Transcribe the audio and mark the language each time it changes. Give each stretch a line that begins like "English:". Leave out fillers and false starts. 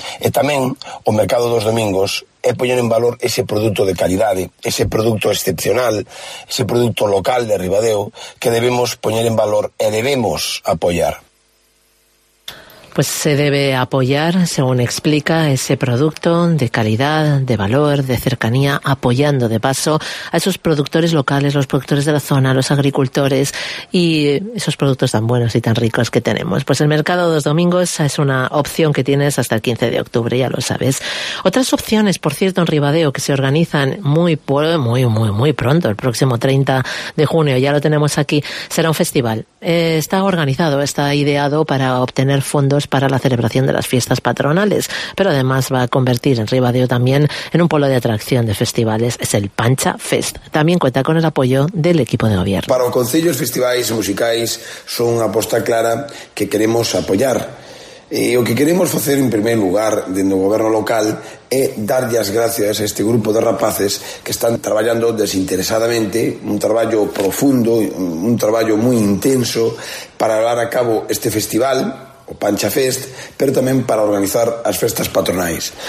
Galician: E tamén o Mercado dos Domingos é poñer en valor ese produto de calidade, ese produto excepcional, ese produto local de Ribadeo que debemos poñer en valor e debemos apoyar.
Spanish: Pues se debe apoyar, según explica, ese producto de calidad, de valor, de cercanía, apoyando de paso a esos productores locales, los productores de la zona, los agricultores y esos productos tan buenos y tan ricos que tenemos. Pues el Mercado dos Domingos es una opción que tienes hasta el 15 de octubre, ya lo sabes. Otras opciones, por cierto, en Ribadeo, que se organizan muy pronto, el próximo 30 de junio, ya lo tenemos aquí, será un festival. Está organizado, está ideado para obtener fondos para la celebración de las fiestas patronales, pero además va a convertir en Ribadeo también en un polo de atracción de festivales. Es el Pancha Fest. También cuenta con el apoyo del equipo de gobierno.
Galician: Para o concello, os festivais musicais son unha aposta clara que queremos apoyar. E o que queremos facer en primeiro lugar dentro do goberno local é darlle as gracias a este grupo de rapaces que están traballando desinteresadamente, un traballo profundo, un traballo moi intenso para levar a cabo este festival, o Pancha Fest, pero tamén para organizar as festas patronais.